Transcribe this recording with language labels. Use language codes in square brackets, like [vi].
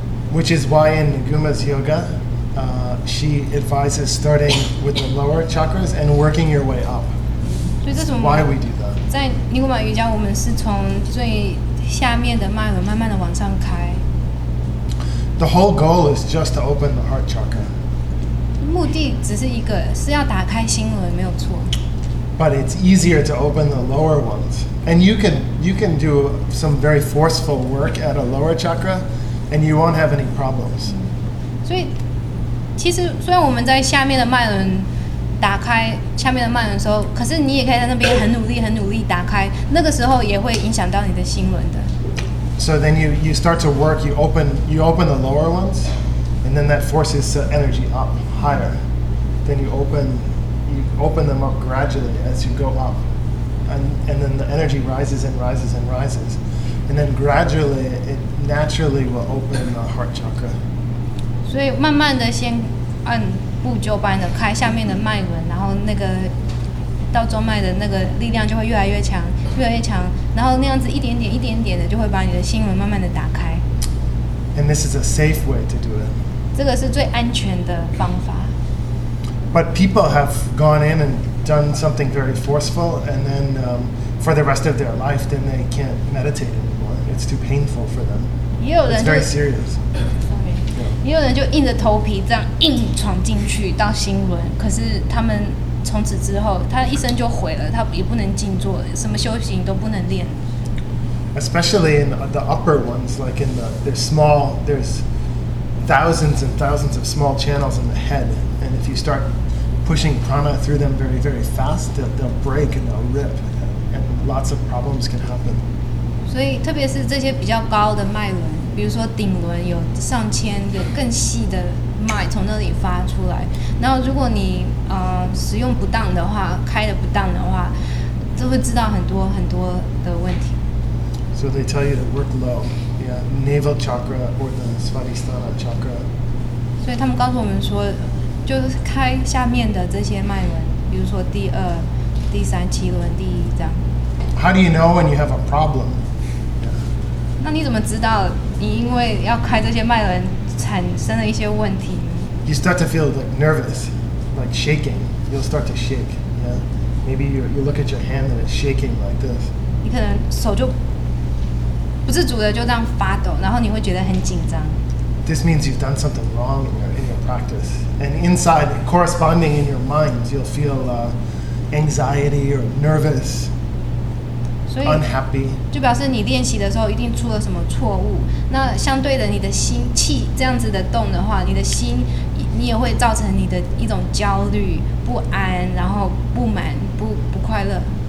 [en] which is why in Nguma's yoga, she advises starting with the lower chakras and working your way up. That's why we do that. [zh] 在 Nguma 瑜伽，我们是从最下面的脉轮慢慢的往上开。 [en] The whole goal is just to open the heart chakra. [zh] 目的只是一个，是要打开心轮，没有错。 [en] But it's easier to open the lower ones. And you can do some very forceful work at a lower chakra, and you won't have any problems. [zh] 所以其实虽然我们在下面的脉轮打开下面的脉轮的时候，可是你也可以在那边很努力很努力打开，那个时候也会影响到你的心轮的。 [en] So then you start to work, you open the lower ones, and then that forces the energy up higher. Then you open them up gradually as you go up. And then the energy rises and rises and rises. And then gradually, it naturally will open the heart chakra. [zh] 所以慢慢的先按部就班的开下面的脉轮，然后那个到中脉的那个力量就会越来越强，越来越强，然后那样子一点点一点点的就会把你的心轮慢慢的打开。 [en] And this is a safe way to do it. [zh] 这个是最安全的方法。 [en] But people have gone in and done something very forceful, and then for the rest of their life, then they can't meditate anymore. It's too painful for them. It's very serious. [zh] 也有人就硬着头皮这样硬闯进去到心轮，可是他们从此之后，他一生就毁了，他也不能静坐，什么修行都不能练。 [en] Especially in the upper ones, like in there's small, there's thousands and thousands of small channels in the head, and if you start pushing prana through them very, very fast, they'll break and they'll rip, and lots of problems can happen. [zh] 所以特别是这些比较高的脉轮。比如说顶轮有上千个更细的脉从那里发出来，然后如果你使用不当的话，开的不当的话，就会知道很多很多的问题。 [en] So they tell you to work low, yeah, navel chakra or the Svadhisthana chakra. [zh] 所以他们告诉我们说，就是开下面的这些脉轮，比如说第二、第三七轮、第一这样。 [en] How do you know when you have a problem? [zh] 那你怎么知道？你因为要开这些脉轮，产生了一些问题。 [en] You start to feel like nervous, like shaking. You'll start to shake. Yeah, maybe you look at your hand and it's shaking like this. [zh] 你可能手就不自主的就这样发抖，然后你会觉得很紧张。 [en] This means you've done something wrong in your practice. And inside, corresponding in your mind, you'll feel anxiety or nervous. Unhappy. [zh] 就表示你练习的时候一定出了什么错误。那相对的，你的心气这样子的动的话，你的心你也会造成你的一种焦虑、不安，然后不满、不快乐。